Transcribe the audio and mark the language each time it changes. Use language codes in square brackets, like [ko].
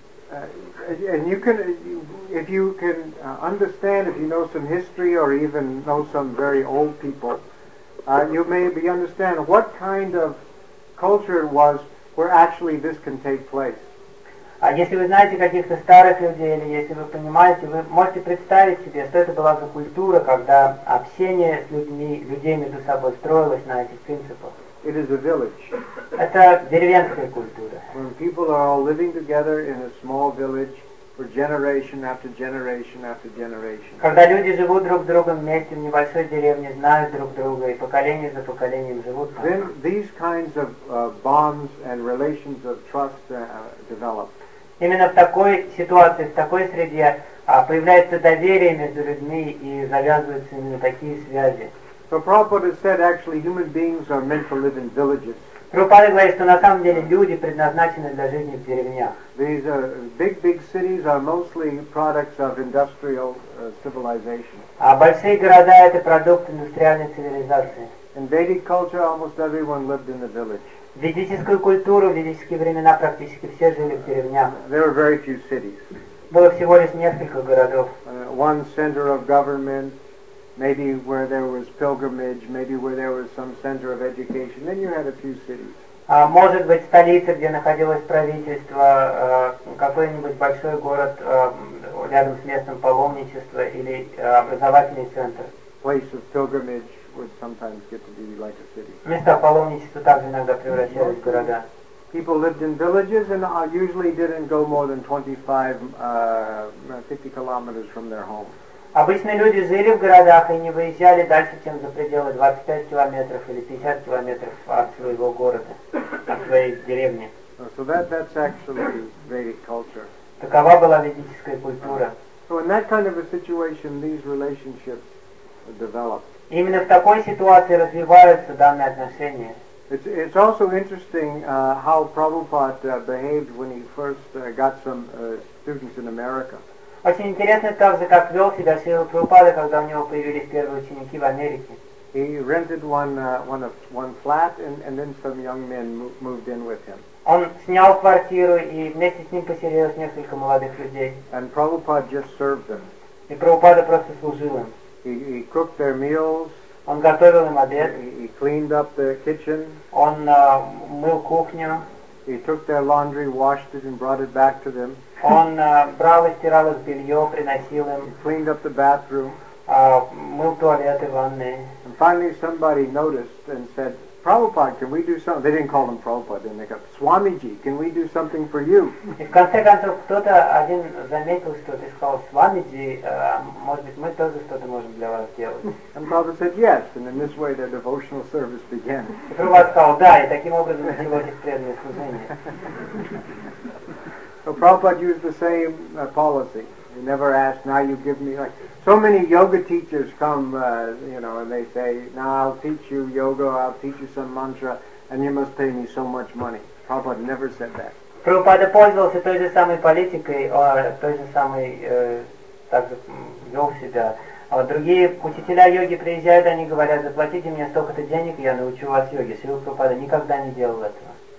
[en] And you can, if you can understand, if you know some history or even know some very old people, you may be understand what kind of culture it was where actually this can take place. [ru] Если вы знаете каких-то старых людей, или если вы понимаете, вы можете представить себе, что это была за культура, когда общение с людьми, людей между собой строилось на этих принципах. [en] It is a village. [ru] Это деревенская культура. [en] When people are all living together in a small village, for generation after generation after generation. [ru] Когда люди живут друг с другом вместе в небольшой деревне, знают друг друга и поколение за поколением живут. [en] Then these kinds of bonds and relations of trust develop. [ru] Именно в такой ситуации, в такой среде появляется доверие между людьми и завязываются именно такие связи. [en] So Prabhupada said, actually, human beings are meant to live in villages. [ru] Прабхупада говорит, что на самом деле люди предназначены для жизни в деревнях. [en] These big cities are mostly products of industrial civilization. [ru] А большие города — это продукт индустриальной цивилизации. [en] In Vedic culture, almost everyone lived in the village. [ru] В ведическую культуру, в ведические времена практически все жили в деревнях. [en] There were very few cities. [ru] Было всего лишь несколько городов. [en] One center of government, maybe where there was pilgrimage, maybe where there was some center of education, then you had a few cities. [ru] Может быть, столица, где находилось правительство, какой-нибудь большой город рядом с местом паломничества или образовательный центр. [en] Place of pilgrimage would sometimes get to be like a city. [ru] Места паломничества также иногда превращались в города. [en] People lived in villages and usually didn't go more than 50 kilometers from their home. [ru] Обычно люди жили в городах и не выезжали дальше, чем за пределы 25 километров или 50 километров от своего города, от своей деревни. [en] So that's actually Vedic culture. [ru] Такова была ведическая культура. [en] So in that kind of a situation, these relationships develop. [ru] Именно в такой ситуации развиваются данные отношения. [en] It's also interesting how Prabhupada behaved when he first got some students in America. [ru] Очень интересно также, как вел себя Шрила Прабхупада, когда у него появились первые ученики в Америке. [en] He rented one flat and then some young men moved in with him. [ru] Он снял квартиру и вместе с ним поселилось несколько молодых людей. [en] And Prabhupada just served them. [ru] И Прабхупада просто служил им. [en] He cooked their meals. [ru] Он готовил им обед. [en] He cleaned up the kitchen. [ru] Он мыл кухню. [en] He took their laundry, washed it, and brought it back to them. [ru] Он брал и стирал их белье, приносил им. [en] He cleaned up the bathroom. [ru] Мыл туалеты, ванны. [en] And finally somebody noticed and said, Prabhupada, can we do something? They didn't call him Prabhupada, then they got Swamiji, can we do something for you? [ru] И в конце концов кто-то один заметил что-то и сказал, Swamiji, может быть мы тоже что-то можем для вас сделать? [en] And Prabhupada said yes, and in this way their devotional service began. [ru] И Прабхупада сказал, да, и таким образом началось их преданное служение. [en] So Prabhupada used the same policy. He never asked, now you give me, like, so many yoga teachers come, and they say, now I'll teach you yoga, I'll teach you some mantra, and you must pay me so much money. Prabhupada never said that. [ru] Prabhupada пользовался той же самой политикой, той же самой, так же, вел себя. А вот другие учителя йоги приезжают, они говорят, заплатите мне столько-то денег, я научу вас йоге. Шрила Прабхупада никогда не делал этого.